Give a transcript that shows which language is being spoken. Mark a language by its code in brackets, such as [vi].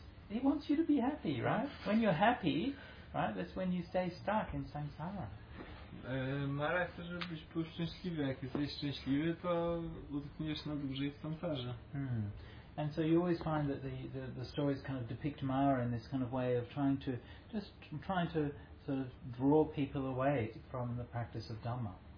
[en] He wants you to be happy, right? When you're happy, right? That's when you stay stuck in samsara. [pl] samsara chce, żebyś był szczęśliwy. Jak jesteś szczęśliwy, to utkniesz na dłużej w samsarze. [en] And so you always find that the stories kind of depict Mara in this kind of way of trying to sort of draw people away from the practice of Dhamma.